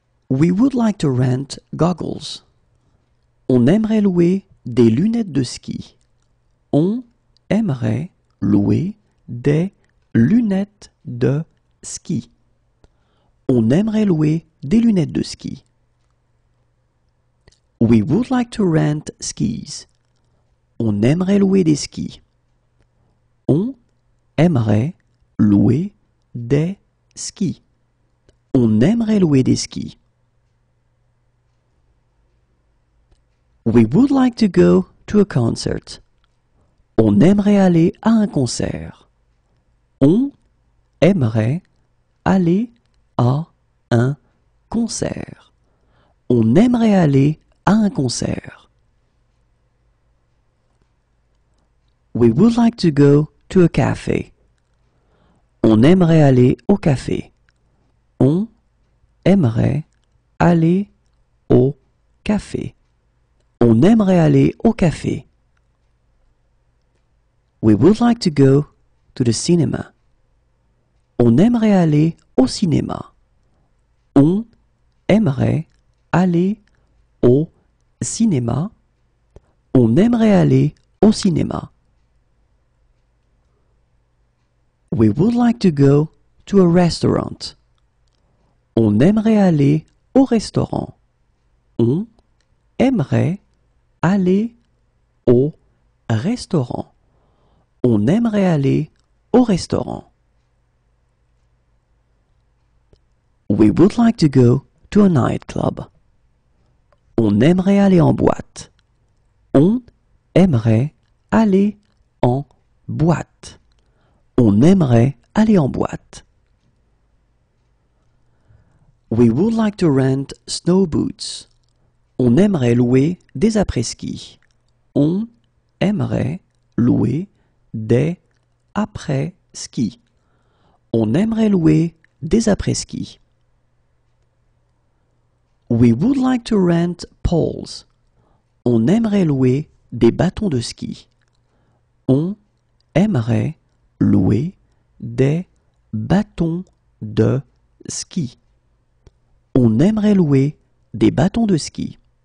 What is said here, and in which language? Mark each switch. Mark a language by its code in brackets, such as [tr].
[en] We would like to rent goggles. [fr] On aimerait louer des lunettes de ski. On aimerait louer des lunettes de ski. On aimerait louer des lunettes de ski. [en] We would like to rent skis. [fr] On aimerait louer des skis. On aimerait louer des skis. On aimerait louer des skis. [en] We would like to go to a concert. [fr] On aimerait aller à un concert. On aimerait aller à un concert. On aimerait aller à un concert. [en] We would like to go to a cafe. [fr] On aimerait aller au café. On aimerait aller au café. On aimerait aller au café. [en] We would like to go to the cinema. [fr] On aimerait aller au cinéma. On aimerait aller au cinéma. On aimerait aller au cinéma. [en] We would like to go to a restaurant. [fr] On aimerait aller au restaurant. On aimerait aller au restaurant. On aimerait aller au restaurant. [en] We would like to go to a nightclub. [fr] On aimerait aller en boîte. On aimerait aller en boîte. On aimerait aller en boîte. [en] We would like to rent snow boots. [fr] On aimerait louer des après-ski. On aimerait louer des après-ski. On aimerait louer des après-ski. [en] We would like to rent poles. [fr] On aimerait louer des bâtons de ski. On aimerait louer des bâtons de ski. On aimerait louer des bâtons de ski.